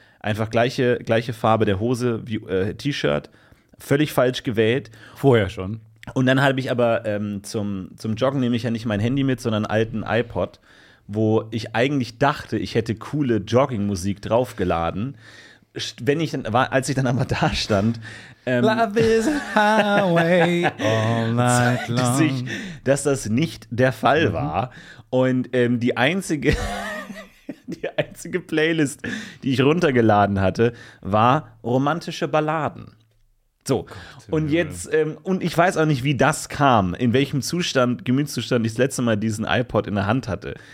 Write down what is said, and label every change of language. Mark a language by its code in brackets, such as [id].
[de] Einfach gleiche Farbe der Hose wie T-Shirt. Völlig falsch gewählt. Vorher schon. Und dann habe ich aber zum Joggen nehme ich ja nicht mein Handy mit, sondern einen alten iPod, wo ich eigentlich dachte, ich hätte coole Joggingmusik draufgeladen. Als ich dann aber da stand, [en] Love is a highway all night long. [de] Zeigte sich, dass das nicht der Fall war. Und die einzige Playlist, die ich runtergeladen hatte, war romantische Balladen. So, und jetzt, und ich weiß auch nicht, wie das kam, in welchem Gemütszustand ich das letzte Mal diesen iPod in der Hand hatte.